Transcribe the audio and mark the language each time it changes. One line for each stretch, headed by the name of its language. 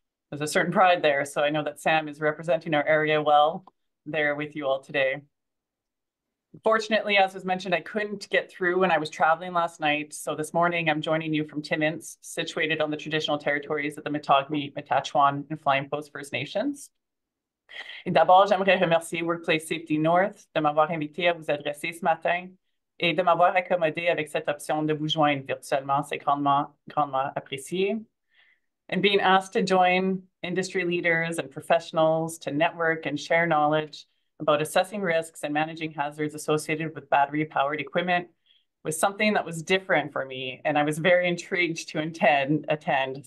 English: There's a certain pride there, so I know that Sam is representing our area well there with you all today. Fortunately, as was mentioned, I couldn't get through when I was traveling last night, so this morning I'm joining you from Timmins, situated on the traditional territories of the Métogamy, Matachuan, and Flying Post First Nations.
French: Et d'abord, j'aimerais remercier Workplace Safety North de m'avoir invité à vous adresser ce matin et de m'avoir accommodé avec cette option de vous joindre virtuellement. C'est grandement, grandement apprécié.
English: And being asked to join industry leaders and professionals to network and share knowledge about assessing risks and managing hazards associated with battery-powered equipment was something that was different for me, and I was very intrigued to attend.